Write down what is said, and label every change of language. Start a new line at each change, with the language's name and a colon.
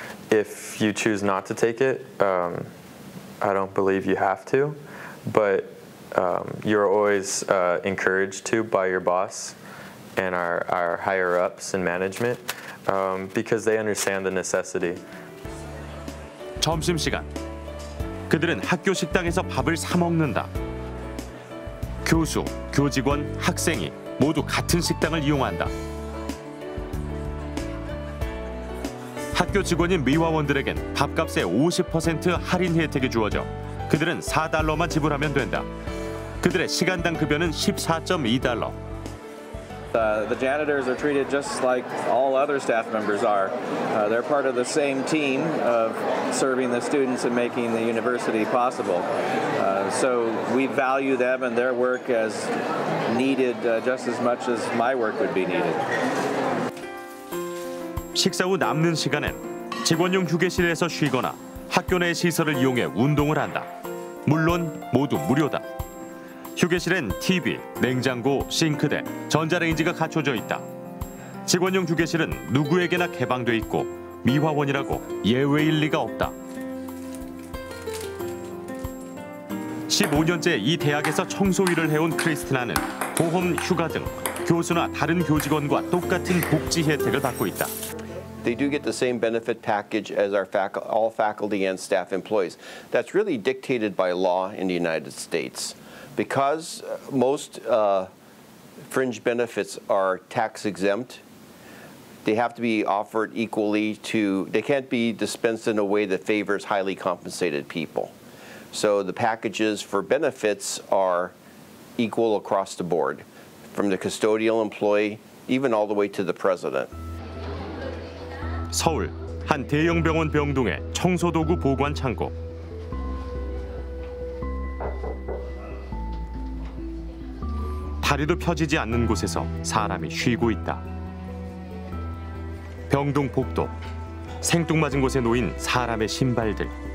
English: If you choose not to take it, I don't believe you have to, but you're always encouraged to by your boss and our higher-ups in management because they understand the necessity.
Korean: 점심시간. 그들은 학교 식당에서 밥을 사 먹는다. 교수, 교직원, 학생이 모두 같은 식당을 이용한다. 학교 직원인 미화원들에겐 밥값의 50% 할인 혜택이 주어져 그들은 $4만 지불하면 된다. 그들의 시간당 급여는 $14.2.
English: The janitors are treated just like all other staff members are. They're part of the same team of serving the students and making the university possible. So we value them and their work as needed just as much as my work would be needed.
Korean: 식사 후 남는 시간엔 직원용 휴게실에서 쉬거나 학교 내 시설을 이용해 운동을 한다. 물론 모두 무료다. 휴게실엔 TV, 냉장고, 싱크대, 전자레인지가 갖춰져 있다. 직원용 휴게실은 누구에게나 개방돼 있고 미화원이라고 예외일 리가 없다. 15년째 이 대학에서 청소 일을 해온 크리스티나는 보험, 휴가 등 교수나 다른 교직원과 똑같은 복지 혜택을 받고 있다.
English: They do get the same benefit package as all faculty and staff employees. That's really dictated by law in the United States. Because most fringe benefits are tax exempt, they have to be offered equally to, they can't be dispensed in a way that favors highly compensated people. So the packages for benefits are equal across the board, from the custodial employee, even all the way to the president.
Korean: 서울, 한 대형 병원 병동의 청소도구 보관 창고. 다리도 펴지지 않는 곳에서 사람이 쉬고 있다. 병동 복도, 생뚱맞은 곳에 놓인 사람의 신발들.